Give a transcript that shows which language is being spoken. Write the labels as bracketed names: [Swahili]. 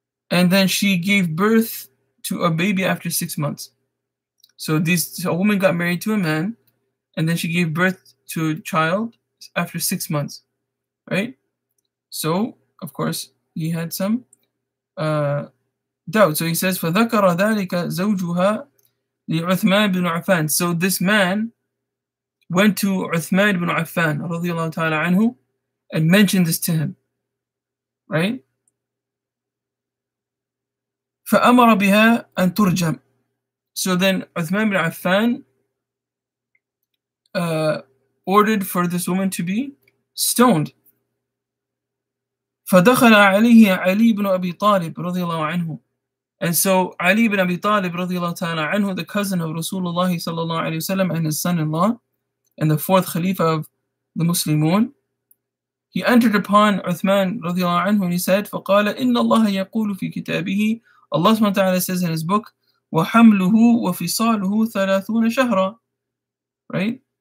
[English] And then she gave birth to a baby after 6 months. So a woman got married to a man, and then she gave birth to a child after 6 months. Right, so of course he had some doubt. So he says, [Arabic] فَذَكَرَ ذَلِكَ زَوْجُهَا لِعُثْمَانِ بْنُ عَفَانِ. [English] So this man went to Uthman ibn Affan رضي الله تعالى عنه and mentioned this to him. Right? [Arabic] فَأَمَرَ بِهَا أَن تُرْجَمْ. [English] So then Uthman ibn Affan ordered for this woman to be stoned. [Arabic] فدخل عليه علي بن أبي طالب رضي الله عنه. [English] And so علي بن أبي طالب رضي الله تعالى عنه, the cousin of Rasulullah صلى الله عليه وسلم and his son-in-law and the fourth Khalifa of the Muslimun, he entered upon Uthman رضي الله عنه and he said, [Arabic] فقال إن الله يقول في كتابه, [English] Allah سبحانه وتعالى says in his book, [Arabic] وحمله وفصاله 30 شهرا. [English] Right?